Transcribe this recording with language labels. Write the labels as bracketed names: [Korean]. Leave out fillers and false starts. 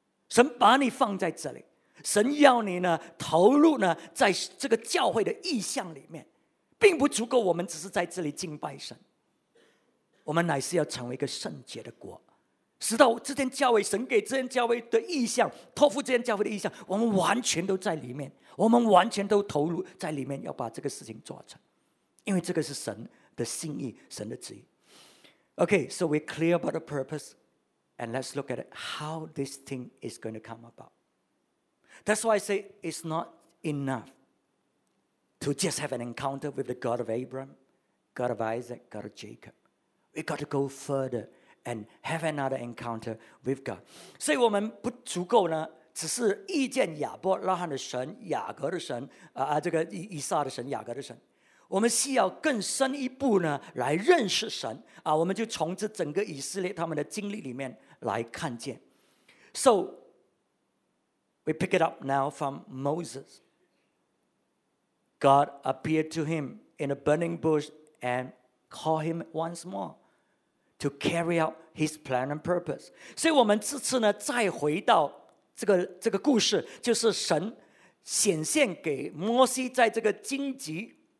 [Chinese] 神把你放在这里，神要你呢投入呢在这个教会的意象里面，并不足够我们只是在这里敬拜神，我们乃是要成为一个圣洁的国，直到这间教会，神给这间教会的意象，托付这间教会的意象，我们完全都在里面，我们完全都投入在里面，要把这个事情做成。因为这个是神的心意，神的旨意。 [English] Okay, so we're clear about the purpose, and let's look at it, how this thing is going to come about. That's why I say it's not enough to just have an encounter with the God of Abraham, God of Isaac, God of Jacob. We've got to go further and have another encounter with God. [Chinese] 所以我们不足够呢，只是遇见亚伯拉罕的神、雅各的神、这个以撒的神、雅各的神。我们需要更深一步呢，来认识神啊！我们就从这整个以色列他们的经历里面来看见。 [English] So we pick it up now from Moses. God appeared to him in a burning bush and called him once more to carry out his plan and purpose. [Chinese] 所以我们这次呢，再回到这个故事，就是神显现给摩西在这个荆棘。